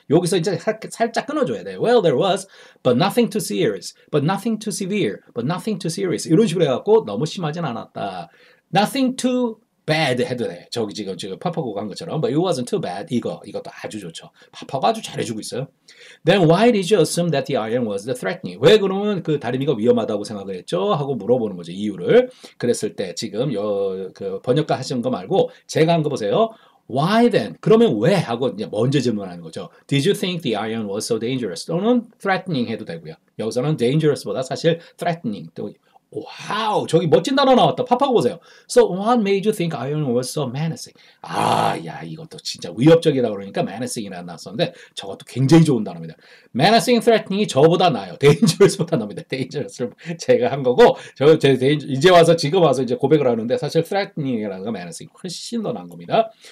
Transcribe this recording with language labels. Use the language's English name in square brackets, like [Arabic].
[Korean] 여기서 이제 살짝 끊어줘야 돼요. [English] Well, there was. But nothing too serious. But nothing too severe. But nothing too serious. [Korean] 이런 식으로 해갖고 너무 심하진 않았다. [English] Nothing too bad [Korean] 해도 돼. 저기 지금 파파고 간 것처럼. [English] But it wasn't too bad. [Korean] 이것도 아주 좋죠. 파파고 아주 잘해주고 있어요. [English] Then why did you assume that the iron was the threatening? [Korean] 왜 그러면 그 다리미가 위험하다고 생각을 했죠? 하고 물어보는 거죠. 이유를. 그랬을 때 지금 그 번역가 하신 거 말고 제가 한 거 보세요. [English] Why then? [Korean] 그러면 왜? 하고 이제 먼저 질문하는 거죠. [English] Did you think the iron was so dangerous? [Korean] 또는 threatening 해도 되고요. 여기서는 dangerous보다 사실 threatening. 또 와우, 저기 멋진 단어 나왔다. 팝하고 보세요. [English] So what made you think iron was so menacing? [Korean] 아, 야, 이것도 진짜 위협적이다 그러니까 menacing이라는 나왔었는데 저것도 굉장히 좋은 단어입니다. Menacing, threatening이 저보다 나아요. Dangerous보다 나옵니다. Dangerous를 제가 한 거고 지금 와서 이제 고백을 하는데 사실 threatening이라는 거 menacing 훨씬 더 나은 겁니다.